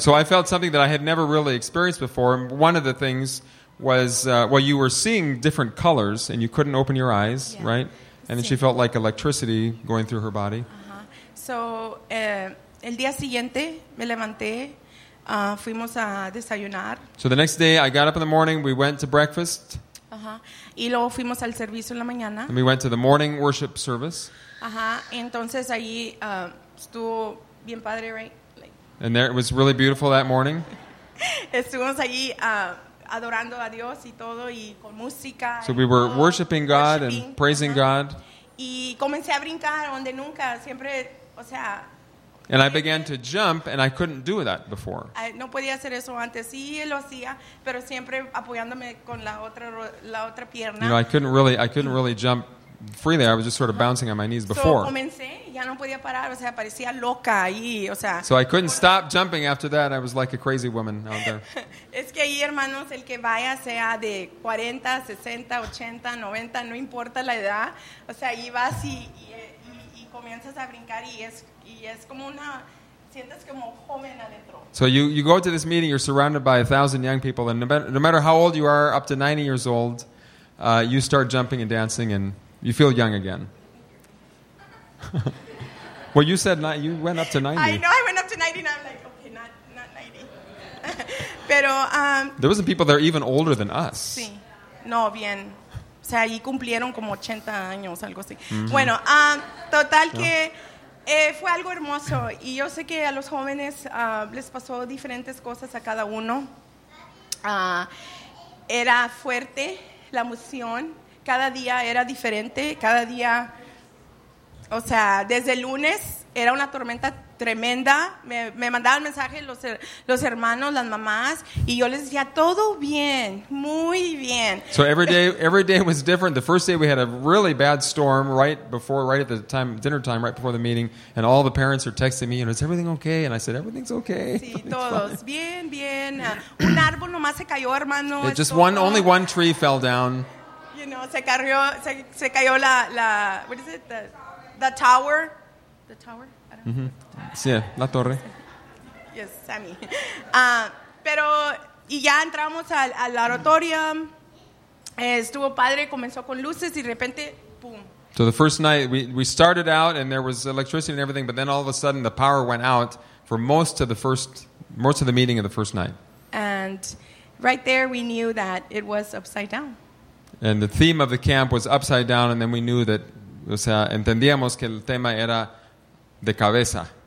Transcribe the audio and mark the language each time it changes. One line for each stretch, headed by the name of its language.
English: So I felt something that I had never really experienced before. One of the things was you were seeing different colors, and you couldn't open your eyes, yeah. Right? And then she felt like electricity going through her body. Uh-huh.
Spanish: So, el día siguiente me levanté, fuimos a desayunar.
English: So the next day I got up in the morning, we went to breakfast.
Spanish: Uh-huh. Y luego fuimos al servicio en la mañana.
English: And we went to the morning worship service.
Spanish: Entonces allí estuvo bien padre,
English: right? And there it was really beautiful that morning.
Spanish: Estuvimos allí adorando a Dios y todo y con música.
English: So we were worshiping God and praising God.
Spanish: Y comencé a brincar donde nunca, siempre, o sea.
English: And I began to jump and I couldn't do that before.
Spanish: No podía hacer eso antes. Sí, lo hacía, pero siempre apoyándome con la otra pierna.
English: You know, I couldn't really jump freely. I was just sort of bouncing on my knees before.
Spanish: So comencé, ya no podía parar, o sea, parecía loca ahí, o sea.
English: So I couldn't stop jumping after that. I was like a crazy woman out there.
Spanish: Es que ahí, hermanos, el que vaya sea de 40, 60, 80, 90, no importa la edad, o sea, ahí vas y comienzas a brincar y es como una, sientes como joven adentro.
English: So you go to this meeting, you're surrounded by 1,000 young people, and no matter how old you are, up to 90 years old, you start jumping and dancing and you feel young again. Well, you said you went up to 90. I know, I went up to 90, and I'm like, okay, not 90.
Spanish: Pero
English: there wasn't people there even older than us.
Spanish: Sí, no, bien. O sea, allí cumplieron como 80 años, algo así. Mm-hmm. Bueno, total que fue algo hermoso. Y yo sé que a los jóvenes les pasó diferentes cosas a cada uno. Era fuerte la emoción. Cada día era diferente, cada día, o sea, desde el lunes era una tormenta tremenda. Me mandaban mensajes los hermanos, las mamás, y yo les decía, todo bien, muy bien.
English: So every day was different. The first day we had a really bad storm right before the meeting, and all the parents are texting me, you know, is everything okay? And I said, everything's okay.
Spanish: Sí, todos, bien, bien. Un árbol nomás se cayó, hermano.
English: Only one tree fell down.
Spanish: No, se cayó la
English: what is it, the tower?
Spanish: Mm-hmm.
English: Yeah,
Spanish: la torre.
English: Yes,
Spanish: Sammy. Pero y ya entramos al auditorium. Estuvo padre, comenzó con luces y de repente, boom.
English: So the first night we started out and there was electricity and everything, but then all of a sudden the power went out for most of the meeting of the first night. And right there we knew that it was upside down. And the theme of the camp was upside down, and then we knew that,
Spanish: o sea, entendíamos que el tema era de cabeza.